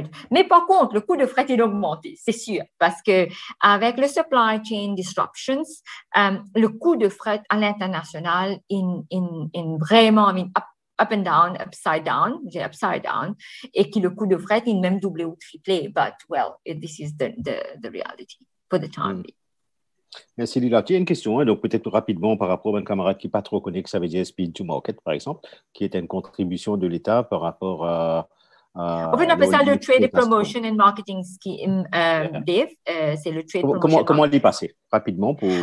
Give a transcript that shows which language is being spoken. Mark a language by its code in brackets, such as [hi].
[fr] Mais par contre, le coût de fret est augmenté, c'est sûr, parce que avec le supply chain disruptions, le coût de fret à l'international in vraiment, [en] I mean, upside down, [fr] et que le coût de fret est même doublé ou triplé. [en] But well, this is the reality for the time being. [fr] Merci Lila. Tu as une question, hein? Donc peut-être rapidement par rapport à un camarade qui n'est pas trop connecté, ça veut dire Speed to Market, par exemple, qui est une contribution de l'État par rapport à on peut appeler ça le Trade Promotion and Marketing Scheme, Dave. C'est le Trade Promotion. Comment l'y passer rapidement pour